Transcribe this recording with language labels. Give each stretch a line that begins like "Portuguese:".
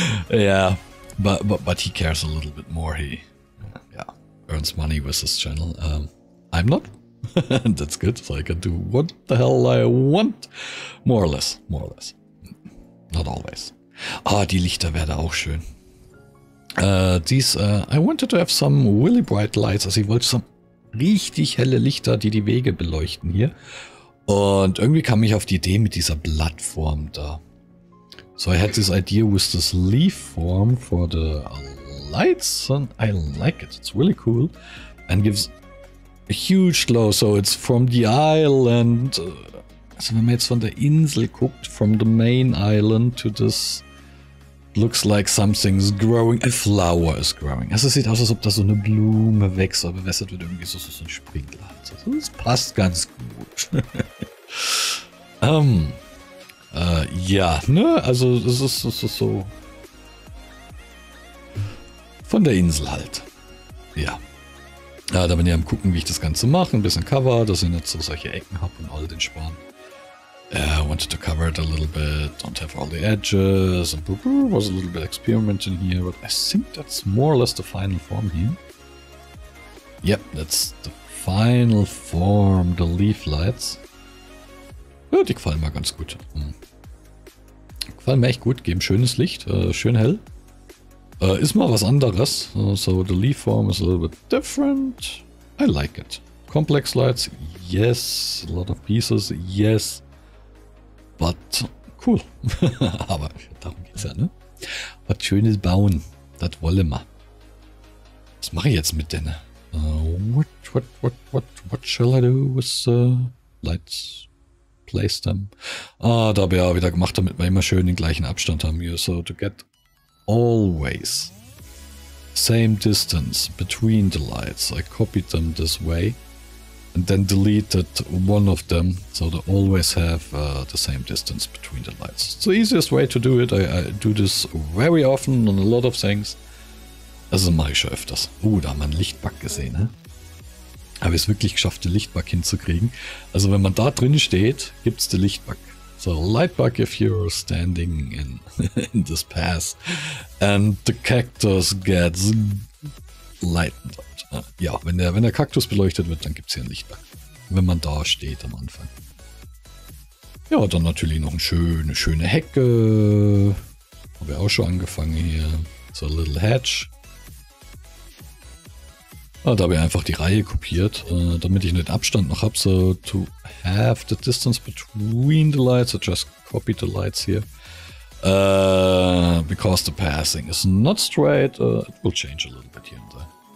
English: Yeah, but he cares a little bit more. He earns money with his channel. I'm not. That's good, so I can do what the hell I want. More or less. Not always.
German: Ah, die Lichter werden auch schön.
English: I wanted to have some really bright lights.
German: Also ich wollte so richtig helle Lichter, die die Wege beleuchten hier. Und irgendwie kam ich auf die Idee mit dieser Blattform da.
English: So I had this idea with this leaf form for the lights. And I like it. It's really cool. And gives a huge glow. So it's from the island.
German: Also wenn man jetzt von der Insel guckt,
English: from the main island to this, looks like something's growing, a flower is growing.
German: Also es sieht aus, als ob da so eine Blume wächst, aber bewässert wird irgendwie so, so ein Sprinkler. Also das passt ganz gut. ja, ne, also es ist so von der Insel halt. Ja. Ja, da bin ich am gucken, wie ich das Ganze mache, ein bisschen Cover, dass ich nicht so solche Ecken habe und all den Sparen.
English: Yeah, I wanted to cover it a little bit, don't have all the edges, and boo boo, was a little bit experimenting here, but I think that's more or less the final form here. Yep, that's the final form, the leaf lights.
German: Ja, die gefallen mir ganz gut. Gefallen mir echt gut, geben schönes Licht, schön hell. Ist mal was anderes,
English: so the leaf form is a little bit different. I like it. Complex lights, yes, a lot of pieces, yes. But cool.
German: Aber darum geht's ja, ne? Was Schönes bauen. Das wollen wir. Was mache ich jetzt mit denen?
English: What shall I do with lights? Place them.
German: Ah, da habe ich ja wieder gemacht, damit wir immer schön den gleichen Abstand haben hier.
English: So to get always same distance between the lights. I copied them this way. And then deleted one of them, so they always have the same distance between the lights. It's the easiest way to do it. I do this very often on a lot of things.
German: Also mache ich schon öfters. Da haben wir einen Lichtbug gesehen. Ne? Habe ich es wirklich geschafft, den Lichtbug hinzukriegen? Also wenn man da drin steht, gibt es den Lichtbug.
English: So, Lightbug if you're standing in this pass. And the cactus gets lightened.
German: Ja, wenn der Kaktus beleuchtet wird, dann gibt es hier ein Lichtbug. Wenn man da steht am Anfang. Ja, dann natürlich noch eine schöne Hecke. Habe ich auch schon angefangen hier. So ein
English: little hedge.
German: Ja, da habe ich einfach die Reihe kopiert, damit ich den Abstand noch habe.
English: So, to have the distance between the lights, I just copied the lights here. Because the passing is not straight, it will change a little bit here and there.